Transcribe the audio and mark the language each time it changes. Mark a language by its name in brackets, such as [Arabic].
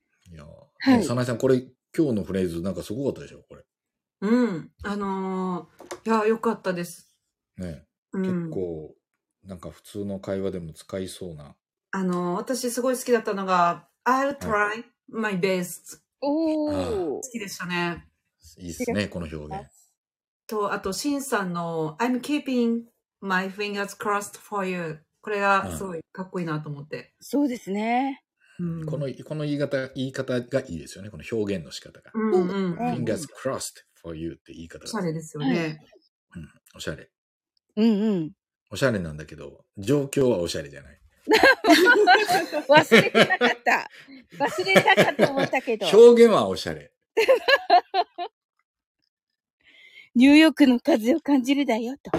[Japanese] いや、サナイさん、これ今日のフレーズなんかすごかったでしょ、これ。うん。いや、よかったです。ね。結構、なんか普通の会話でも使いそうな。私すごい好きだったのが、 [English] I'll try my best. [Japanese] おー。好きでしたね。いいですね、この表現。と、あと、シンさんの [English] I'm keeping my fingers crossed for you. [Japanese] これがすごいかっこいいなと思って。うん、そうですね。うん、この言い方がいいですよね。この表現の仕方が。 [English] Fingers crossed for you [Japanese] って言い方が。おしゃれですよね。うん、おしゃれ。うんうん。おしゃれなんだけど、状況はおしゃれじゃない。忘れたかったと思ったけど。表現はおしゃれ。ニューヨークの風を感じるだよと。